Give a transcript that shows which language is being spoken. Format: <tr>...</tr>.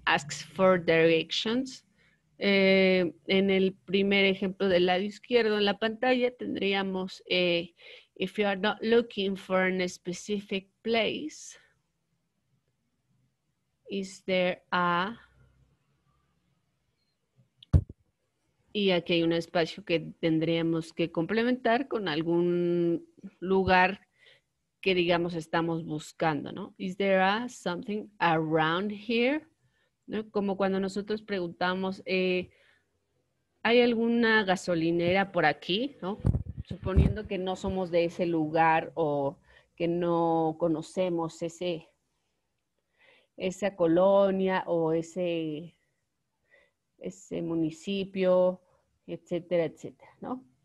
<en>Asks for directions.</en> <es>En el primer ejemplo del lado izquierdo en la pantalla tendríamos</es> <en>if you are not looking for a specific place, is there a...</en> <es>Y aquí hay un espacio que tendríamos que complementar con algún lugar que digamos estamos buscando, ¿no?</es> <en>Is there a something around here?</en> <es>¿No? Como cuando nosotros preguntamos, ¿hay alguna gasolinera por aquí? ¿No? Suponiendo que no somos de ese lugar o que no conocemos esa colonia o ese municipio, etcétera, etcétera, ¿no?</es>